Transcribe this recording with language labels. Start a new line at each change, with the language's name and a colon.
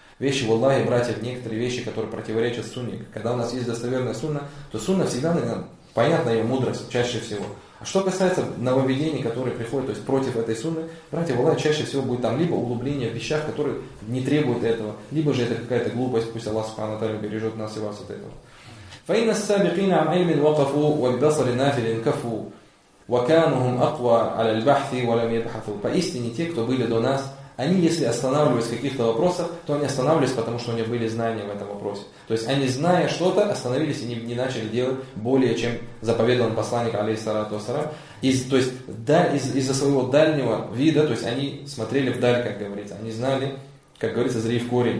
Russian: Вещи, в Аллахе, братья, некоторые вещи, которые противоречат сунне. Когда у нас есть достоверная сунна, то сунна всегда, наверное, понятна ее мудрость, чаще всего. А что касается нововведений, которые приходят, то есть против этой сунны, братья, в Аллахе, чаще всего будет там либо углубление в вещах, которые не требуют этого, либо же это какая-то глупость, пусть Аллах Субхана ва тааля бережет нас и вас от этого.
Arabic: فإن السابقين عن علم وقفوا والبصر نافل كفوا وكانهم أقوى على البحث ولم يبحثوا.
Russian: Поистине те, кто были до нас, они если останавливались в каких-то вопросах, то они останавливались, потому что у них были знания в этом вопросе. То есть они, зная что-то, остановились и не начали делать более, чем заповедовал посланник, алейхиссалату вассалям. Из-за своего дальнего вида, то есть они смотрели вдаль, как говорится, они знали, как говорится, зри в корень.